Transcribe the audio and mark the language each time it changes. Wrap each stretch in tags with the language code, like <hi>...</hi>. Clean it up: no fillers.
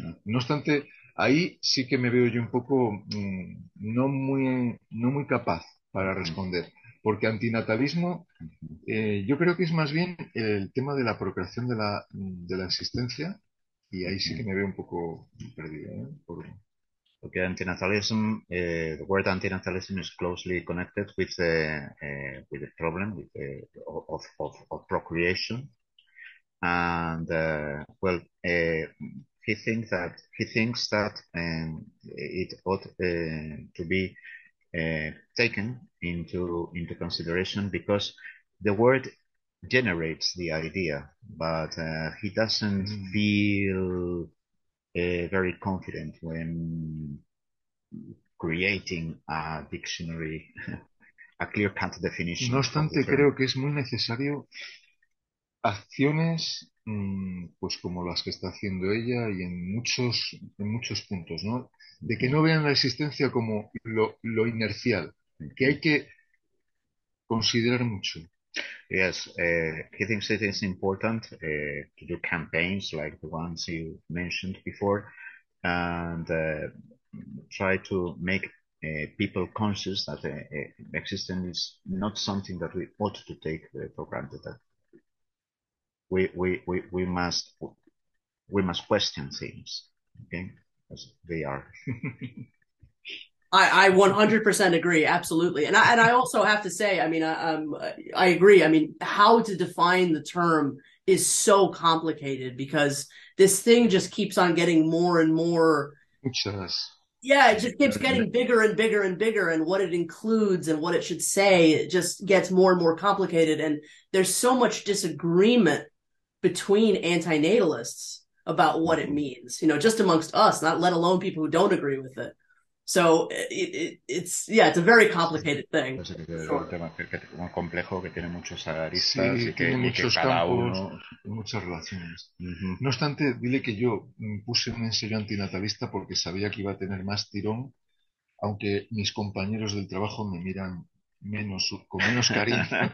<es>No obstante, ahí sí que me veo yo un poco no muy capaz para responder, porque antinatalismo yo creo que es más bien el tema de la procreación de la existencia, y ahí sí que me veo un poco perdido, ¿eh?</es> <en>Porque antinatalism, the word antinatalism is closely connected with the problem of procreation, and well, he thinks that it ought to be taken into consideration because the word generates the idea, but he doesn't feel very confident when creating a dictionary, a clear-cut definition.</en> <es>No obstante, creo que es muy necesario acciones, pues como las que está haciendo ella y en muchos puntos, ¿no? De que no vean la existencia como lo inercial, que hay que considerar mucho.</es> <en>Yes, he thinks it is important to do campaigns like the ones you mentioned before, and try to make people conscious that existence is not something that we ought to take for granted. That we must question things, okay, as they are. I 100% agree, absolutely. And I also have to say, I mean, I agree. I mean, how to define the term is so complicated because this thing just keeps on getting more and more.</en> <es>Muchas.</es> <en>Yeah, it just keeps getting bigger and bigger and bigger, and what it includes and what it should say, it just gets more and more complicated. And there's so much disagreement between antinatalists about what it means, you know, just amongst us, not let alone people who don't agree with it. So it's a very complicated thing.</en> <es>Es un tema muy complejo que tiene muchos aristas, sí, y que tiene muchos campos, cada uno... muchas relaciones. No obstante, dile que yo puse un ensayo antinatalista porque sabía que iba a tener más tirón, aunque mis compañeros del trabajo me miran menos, con menos cariño.</es>